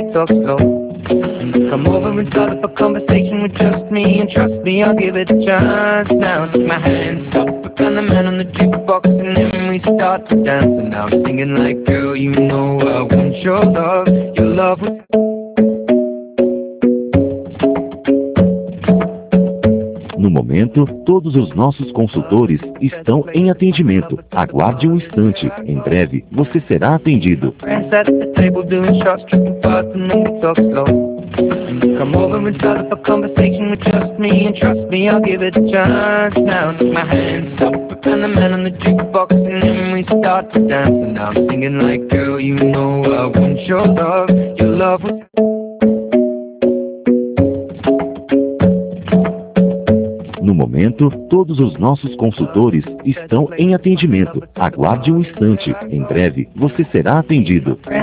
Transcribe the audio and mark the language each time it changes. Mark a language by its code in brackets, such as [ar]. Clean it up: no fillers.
[en] Come over and start up a conversation with just me, and trust me, I'll give it a chance. Now I'll take my hands up, and the man on the jukebox, and then we start to dance. And now I'm singing like, girl, you know I want your love was... [pt] No momento, todos os nossos consultores estão em atendimento. Aguarde um instante. Em breve, você será atendido. [en] Come over and start up a conversation with just me, and trust me, I'll give it a chance. Now I'll take my hands up, and the man on the jukebox, and then we start to dance. And now I'm singing like, girl, you know I want your love was... [pt] No momento, todos os nossos consultores estão em atendimento. Aguarde um instante. Em breve, você será atendido.